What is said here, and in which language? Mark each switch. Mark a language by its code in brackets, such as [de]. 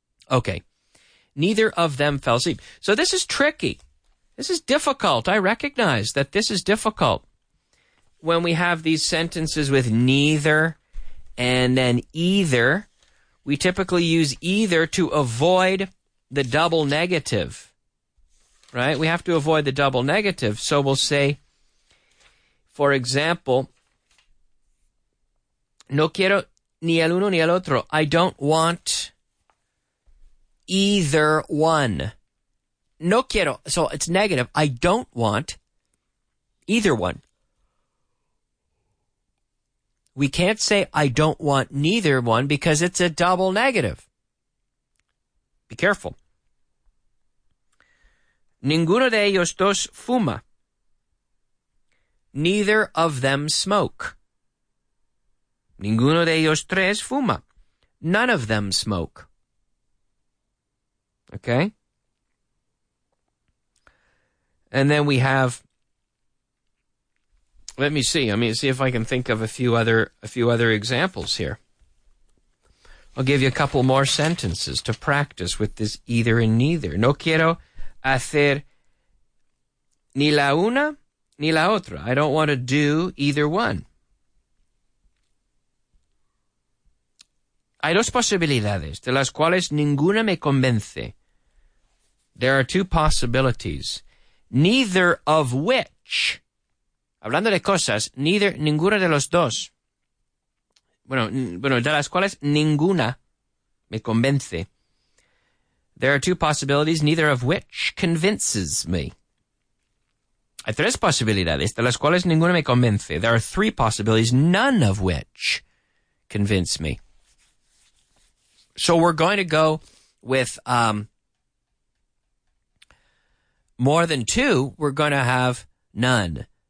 [en] Okay. Neither of them fell asleep. So this is tricky. This is difficult. I recognize that this is difficult when we have these sentences with neither and then either. We typically use either to avoid the double negative, right? We have to avoid the double negative. So we'll say, for example, [es] no quiero ni el uno ni el otro. [en] I don't want either one. [es] No quiero. [en] So it's negative. I don't want either one. We can't say I don't want neither one because it's a double negative. Be careful. [es] Ninguno de ellos dos fuma. [en] Neither of them smoke. [es] Ninguno de ellos tres fuma. [en] None of them smoke. Okay? And then we have, let me see. Let me see if I can think of a few other examples here. I'll give you a couple more sentences to practice with this either and neither. [es] No quiero hacer ni la una ni la otra. [en] I don't want to do either one. [es] Hay dos posibilidades de las cuales ninguna me convence. [en] There are two possibilities. Neither of which, [es] hablando de cosas, [en] neither, [es] ninguna de los dos. Bueno, de las cuales ninguna me convence. [en] There are two possibilities, neither of which convinces me. [es] Hay tres posibilidades, de las cuales ninguna me convence. [en] There are three possibilities, none of which convince me. So we're going to go with more than two, we're going to have none.